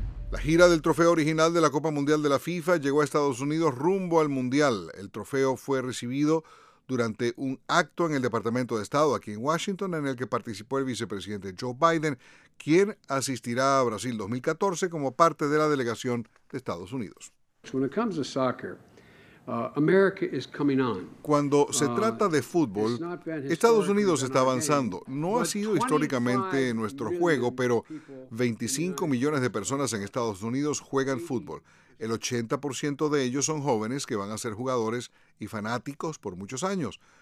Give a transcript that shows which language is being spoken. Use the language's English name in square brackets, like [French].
[Spanish] La gira del trofeo original de la Copa Mundial de la FIFA llegó a Estados Unidos rumbo al Mundial. El trofeo fue recibido durante un acto en el Departamento de Estado aquí en Washington, en el que participó el vicepresidente Joe Biden, quien asistirá a Brasil 2014 como parte de la delegación de Estados Unidos. [English] When it comes to soccer, America is coming on. [Spanish] Cuando se trata de fútbol, Estados Unidos está avanzando. No ha sido históricamente nuestro juego, pero 25 millones de personas en Estados Unidos juegan fútbol. El 80% de ellos son jóvenes que van a ser jugadores y fanáticos por muchos años.